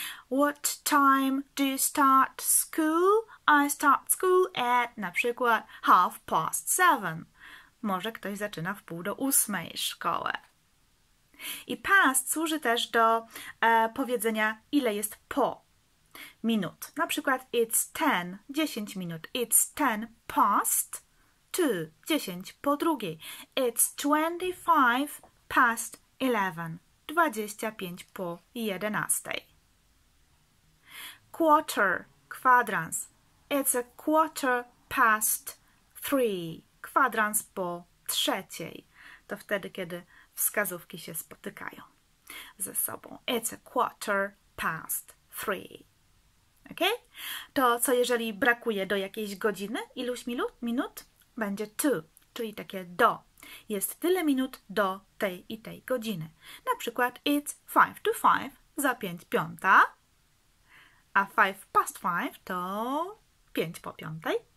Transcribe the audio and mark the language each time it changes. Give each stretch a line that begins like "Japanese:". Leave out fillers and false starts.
English: What time do you start school? I start school at
Polish: na przykład
English: half past seven.
Polish: Może ktoś zaczyna w pół do ósmej szkołę. I past służy też do powiedzenia, ile jest po minut. Na przykład
English: it's ten,
Polish: 10 minut.
English: It's ten past two,
Polish: 10 po drugiej.
English: It's 25 past 11.
Polish: 25 po 11.
English: Quarter,
Polish: kwadrans.
English: It's a quarter past three.
Polish: Kwadrans po trzeciej. To wtedy, kiedy wskazówki się spotykają ze sobą.
English: It's a quarter past three. Ok?
Polish: To co, jeżeli brakuje do jakiejś godziny? Iluś minut? Minut? Będzie to, czyli takie do. Jest tyle minut do tej i tej godziny. Na przykład
English: it's 5 to 5,
Polish: za 5 piąta. A
English: 5 past 5
Polish: to 5 po piątej.